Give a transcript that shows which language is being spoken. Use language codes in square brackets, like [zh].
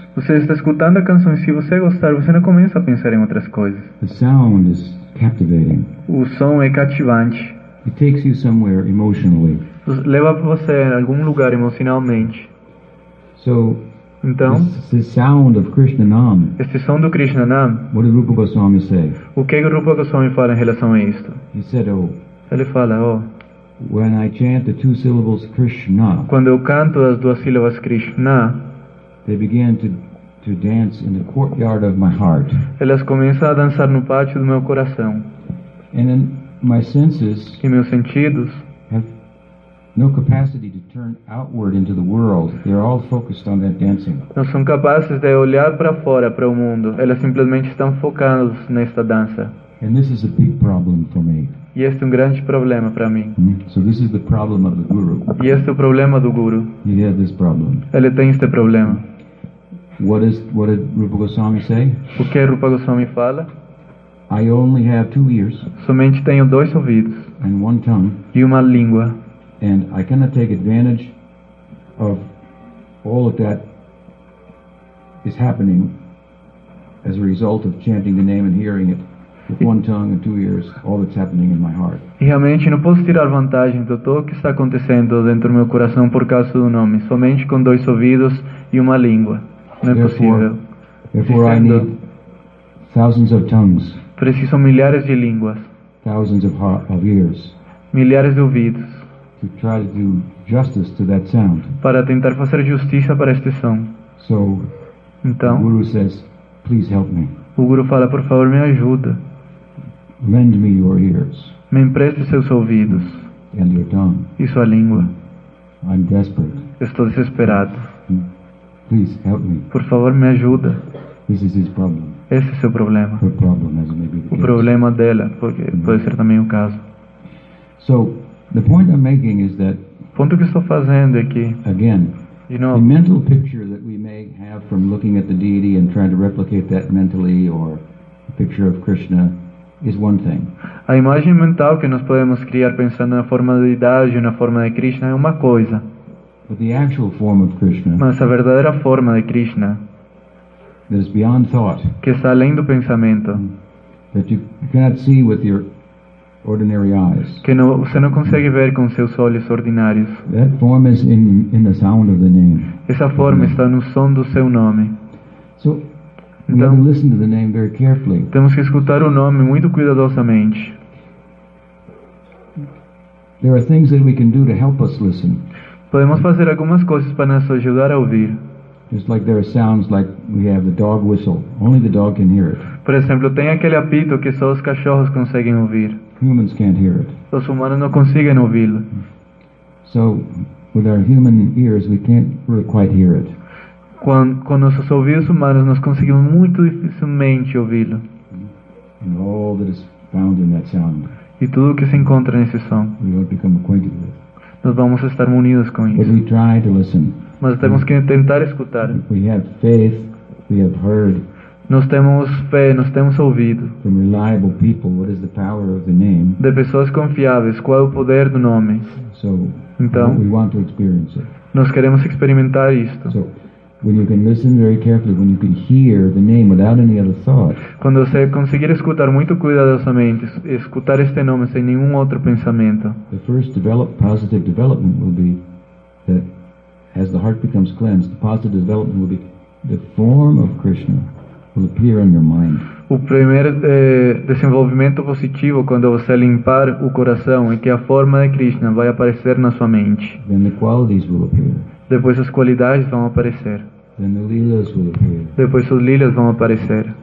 [pt] Você está escutando a canção e se você gostar, você não começa a pensar em outras coisas. [en] The sound is captivating. [pt] O som é cativante. [en] It takes you somewhere emotionally. [pt] Leva você a algum lugar emocionalmente. [en] So, [pt] então, [en] this sound of Krishna Nam, [pt] este som do Krishna Nam, [en] what did Rupa Goswami say? [pt] O que Rupa Goswami fala em relação a isto? [en] He said, oh. [pt] Ele fala, oh. [en] When I chant the two syllables Krishna, [pt] quando eu canto as duas sílabas Krishna, [en] they begin to dance in the courtyard of my heart. [pt] Elas começam a dançar no pátio do meu coração. [en] And in my senses, [pt] e meus sentidos, [en] have no capacity to turn outward into the world. They're all focused on that dancing. [pt] Não são capazes de olhar para fora, para o mundo. Elas simplesmente estão focadas nesta dança. [en] And this is a big problem for me. [pt] E este é um grande problema para mim. [en] So this is the problem of the guru. [pt] E este é o problema do guru. [en] He has this problem. [pt] Ele tem este problema. [en] What did Rupa Goswami say? [pt] O que Rupa Goswami fala? [en] I only have two ears. [pt] Somente tenho dois ouvidos. [en] And one tongue. [pt] E uma língua. [en] And I cannot take advantage of all of that is happening as a result of chanting the name and hearing it. With one tongue and two ears, all that's happening in my heart. [pt] E realmente não posso tirar vantagem de tudo o que está acontecendo dentro do meu coração por causa do nome, somente com dois ouvidos e uma língua. Não é possível. [en] Therefore, I need thousands of tongues. [pt] Preciso milhares de línguas. [en] Thousands of ears. [pt] Milhares de ouvidos. [en] To try to do justice to that sound. [pt] Para tentar fazer justiça para este som. [en] So, [pt] então, [en] the guru says, please help me. [pt] O guru fala, por favor, me ajuda. [en] Lend me your ears. [pt] Me empreste seus ouvidos. [en] And your tongue. [pt] E sua língua. [en] I'm desperate. [pt] Estou desesperado. [en] Please help me. [pt] Por favor, me ajuda. [en] This is his problem. [pt] Esse é seu problema. [en] Her problem, as it may be the [pt] case. O problema dela, porque pode ser também o caso. [en] So, the point I'm making is that, [pt] o ponto que estou fazendo aqui, [en] again, you know, the mental picture that we may have from looking at the deity and trying to replicate that mentally, or the picture of Krishna, is one thing. [pt] A imagem mental que nós podemos criar pensando na forma de deidade, na forma de Krishna, é uma coisa. [en] But the actual form of Krishna, [pt] mas a verdadeira forma de Krishna, [en] that is beyond thought, [pt] que está além do pensamento, [en] that you cannot see with your ordinary eyes. [pt] Que não, você não consegue ver com seus olhos ordinários. [en] That form is in the sound of the name. [pt] Essa forma está no som do seu nome. [en] So, [pt] então, [en] we have to listen to the name very carefully. [pt] Temos que escutar o nome muito cuidadosamente. [en] There are things that we can do to help us listen. [pt] Podemos fazer algumas coisas para nos ajudar a ouvir. [en] Just like there are sounds like we have the dog whistle. Only the dog can hear it. [pt] Por exemplo, tem aquele apito que só os cachorros conseguem ouvir. [en] Humans can't hear it. [pt] Os humanos não conseguem ouvi-lo. [en] So, with our human ears, we can't really quite hear it. [pt] Com nossos ouvidos humanos, nós conseguimos muito dificilmente ouvi-lo. [en] And all that is found in that sound. [pt] E tudo o que se encontra nesse som. [en] We will become acquainted with. [pt] Nós vamos estar unidos com isso. [en] But we try to listen. [pt] Mas temos que tentar escutar. [en] We have faith. We have heard. [pt] Nós temos fé, nós temos ouvido. [en] From reliable people, what is the power of the name? [pt] De pessoas confiáveis, qual é o poder do nome? [en] So, [pt] então, [en] we want to experience it. [pt] Nós queremos experimentar isto. [en] So, when you can listen very carefully, when you can hear the name without any other thought. [pt] Quando você conseguir escutar muito cuidadosamente, escutar este nome sem nenhum outro pensamento. [en] The first positive development will be that as the heart becomes cleansed, the positive development will be the form of Krishna. Appear in your mind. [pt] O primeiro desenvolvimento positivo quando você limpar o coração é que a forma de Krishna vai aparecer na sua mente. [en] Then the qualities will appear. [pt] Depois as qualidades vão aparecer. [en] Then the lilas will appear. [pt] Depois os lilas vão aparecer.